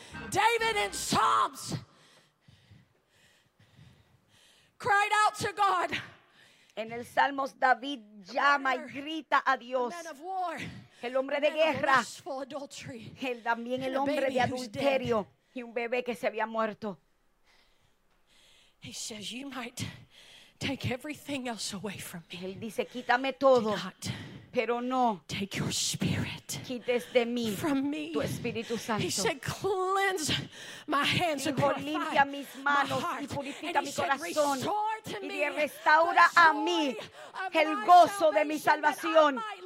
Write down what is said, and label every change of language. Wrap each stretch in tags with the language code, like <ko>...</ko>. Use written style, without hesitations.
<en>David en Psalms cried out to God.</en> <es>En el Salmos David llama y grita a Dios.</es> <en>Man of war,</en> <es>el hombre de guerra.</es> <en>Adultery,</en> <es>él también el hombre de adulterio y un bebé que se había muerto.</es> <en>He says, "You might take everything else away from me."</en> <es>Él dice, "Quítame todo." Pero no,</es> <en>take your spirit</en> <es>quites de mí</es> <en>from me.</en> <es>Tu Espíritu Santo.</es> <en>He said, cleanse my hands and purify</en> <es>limpia mis manos</es> <en>my heart.</en> <es>Y purifica</es> <en>and</en> <es>mi corazón.</es> <en>Said,</en> <es>y restaura a mí el gozo de mi salvación.</es>